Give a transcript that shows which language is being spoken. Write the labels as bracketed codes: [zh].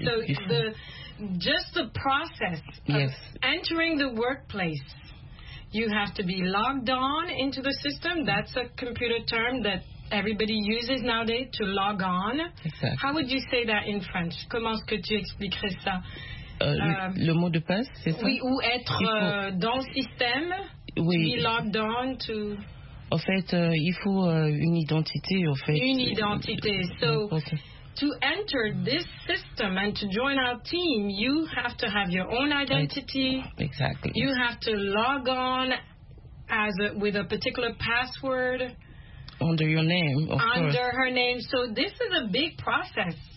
[en] So the process of entering the workplace, you have to be logged on into the system. That's a computer term that everybody uses nowadays, to log on. Exactly. How would you say that in French? [fr] Comment est-ce que tu expliquerais ça? Le mot de passe, c'est ça? Oui, ou être dans le système, oui. [en] Be logged on to... [fr] En fait, il faut une identité, en fait. Une identité. [en] So, to enter this system and to join our team, you have to have your own identity. Exactly. You have to log on with a particular password. Under your name, of under course. Under her name. So this is a big process.